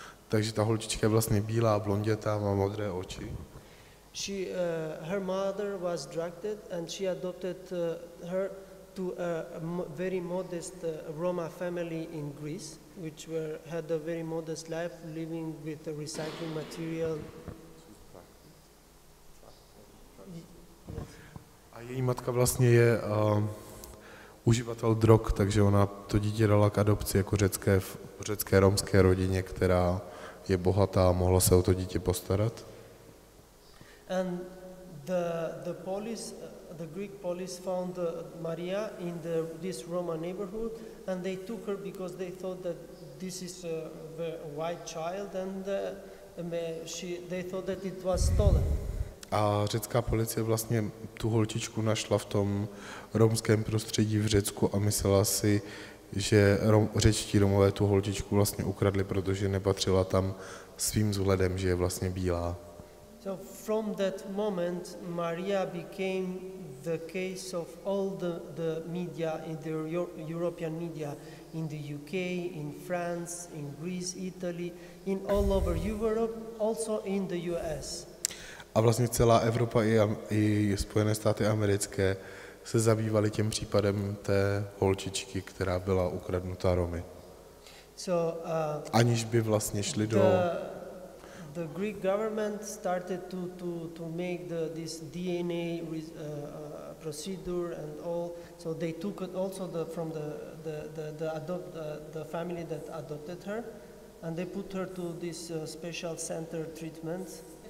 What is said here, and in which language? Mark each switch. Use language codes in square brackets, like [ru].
[cs] Takže ta holčička je vlastně bílá, blonděta, má modré oči. [en] She her mother was drugged and she adopted her to a very modest Roma family in Greece, which were had a very modest life, living with the recycling material. [cs] A její matka vlastně je uživatel drog, takže ona to dítě dala k adopci jako řecké romské rodině, která je bohatá a mohla se o to dítě postarat. [en] And the police, the Greek police found Maria in the this Roman neighborhood, and they took her because they thought that this is a white child, and they thought that it was stolen. [cs] A řecká policie vlastně tu holčičku našla v tom romském prostředí v Řecku a myslela si, že řečtí Romové tu holčičku vlastně ukradli, protože nepatřila tam svým vzhledem, že je vlastně bílá. [en] So from that moment Maria became the case of all the media in the European media in the UK, in France, in Greece, Italy, in all over Europe, also in the US. [cs] A vlastně celá Evropa i Spojené státy americké se zabývaly tím případem té holčičky, která byla ukradnuta Romy. [en] So, [cs] aniž by vlastně šli do [en] the Greek government started to make this DNA procedure and all, so they took it also from the family that adopted her, and they put her to this special center treatment.